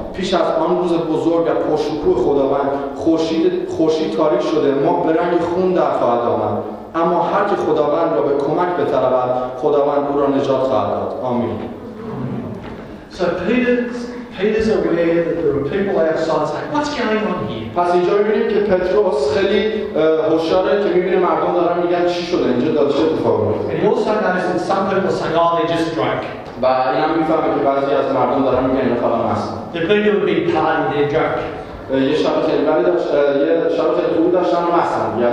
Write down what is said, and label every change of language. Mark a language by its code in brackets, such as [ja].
[fa] پیش از آن روز بزرگ و پرشکوه خداوند، خورشید تاریک شده، ماه به رنگ خون در خواهد آمد. اما هر که خداوند را به کمک بطلبد، خداوند او را نجات خواهد داد. آمین. [en] So Peter's aware that there are people outside saying, what's going on here? [fa] پس اینجا می‌بینیم که پتروس خیلی هوشیاره که می‌بینه مردم دارن میگن چی شده اینجا، داره چه اتفاقی میفته. [en] And he also knows that some people are saying, oh, they just drank. [fa] و این هم می‌فهمه که بعضی از مردم دارن میگن اینا فقط مستن. [en] They're playing a big party, they're drunk. [fa] یه شب تلویزیون داشتن مستن.